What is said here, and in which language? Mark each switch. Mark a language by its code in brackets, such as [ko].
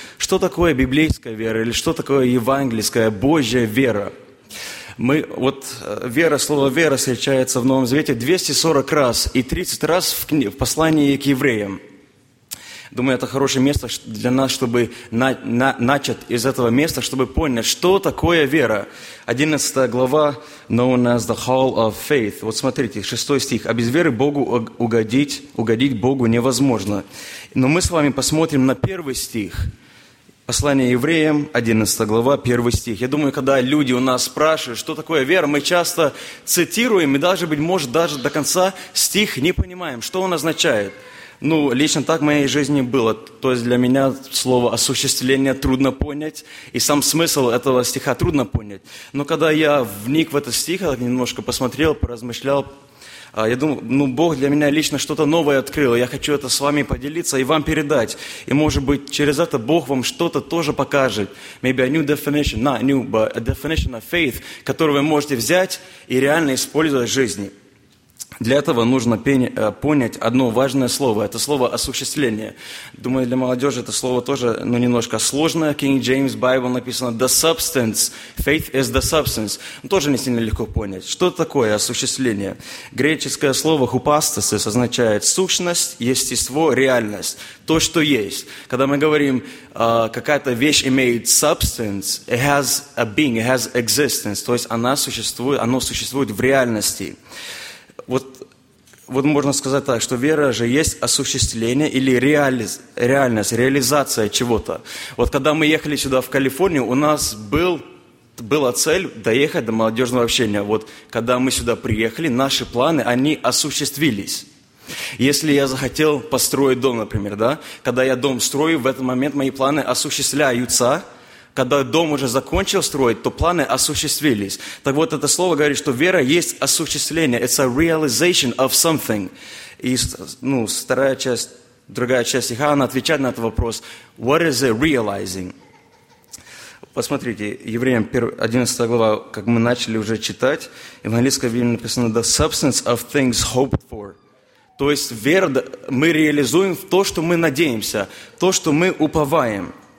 [ru] Что такое библейская вера или что такое евангельская, Божья вера? Мы, вот вера, слово «вера» встречается в Новом Завете 240 раз и 30 раз в послании к евреям. Думаю, это хорошее место для нас, чтобы начать из этого места, чтобы понять, что такое вера. 11 глава, [en] known as the Hall of Faith. [ru] Вот смотрите, 6 стих. «А без веры Богу угодить Богу невозможно». Но мы с вами посмотрим на 1 стих. Послание евреям, 11 глава, 1 стих. Я думаю, когда люди у нас спрашивают, что такое вера, мы часто цитируем и даже, быть может, даже до конца стих не понимаем, что он означает. Ну, лично так в моей жизни было. То есть для меня слово «осуществление» трудно понять, и сам смысл этого стиха трудно понять. Но когда я вник в этот стих, немножко посмотрел, поразмышлял, я думаю, ну, Бог для меня лично что-то новое открыл. Я хочу это с вами поделиться и вам передать. И, может быть, через это Бог вам что-то тоже покажет. [en] Maybe a new definition, not new, but a definition of faith, [ru] которую вы можете взять и реально использовать в жизни. Для этого нужно понять одно важное слово. Это слово «осуществление». Думаю, для молодежи это слово тоже, ну, немножко сложное. [en] King James Bible [ru] написано [en] «the substance». Faith is the substance. [ru] Ну, тоже не сильно легко понять. Что такое осуществление? Греческое слово «hypostasis» означает сущность, естество, реальность. То, что есть. Когда мы говорим, какая-то вещь имеет [en] substance, it has a being, it has existence. [ru] То есть она существует, оно существует в реальности. Вот можно сказать так, что вера же есть осуществление или реальность, реализация чего-то. Вот когда мы ехали сюда в Калифорнию, у нас была цель доехать до молодежного общения. Вот когда мы сюда приехали, наши планы, они осуществились. Если я захотел построить дом, например, да, когда я дом строю, в этот момент мои планы осуществляются. Когда дом уже закончил строить, то планы осуществились. Так вот, это слово говорит, что вера есть осуществление. [en] It's a realization of something. [ru] И, ну, вторая часть, другая часть стиха, она отвечает на этот вопрос. [en] What is it realizing? [ru] Посмотрите, Евреям 11 глава, как мы начали уже читать, в английском языке написано [en] «the substance of things hoped for». [ru] То есть вера, мы реализуем в то, что мы надеемся, то, что мы уповаем.